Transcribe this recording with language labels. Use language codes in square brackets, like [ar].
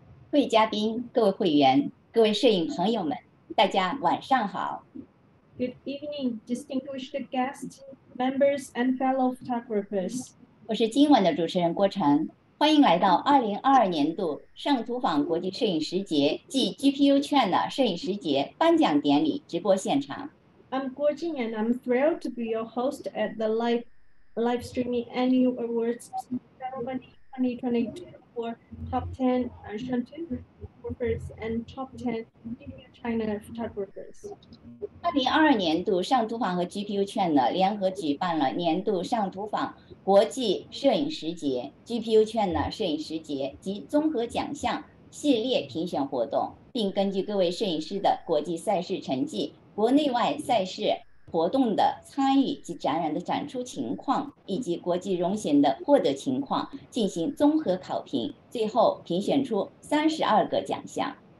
[zh] 各位嘉宾、各位会员、各位摄影朋友们，大家晚上好。 [en] Good evening, distinguished guests, members, and fellow photographers. [zh] 我是今晚的主持人郭晨，欢迎来到2022年度上图坊国际摄影师节暨 GPU-China 摄影师节颁奖典礼直播现场。 [en] I'm Goh Kim Hui, and I'm thrilled to be your host at the live streaming annual awards ceremony 2022. For top 10 Shangtuf photographers and top 10 GPU-China photographers. [zh] 2022年度上图坊和 GPU-China 联合举办了年度上图坊国际摄影师节 GPU-China 摄影师节及综合奖项系列评选活动，并根据各位摄影师的国际赛事成绩、国内外赛事活动的参与及展览的展出情况，以及国际荣衔的获得情况进行综合考评，最后评选出32个奖项。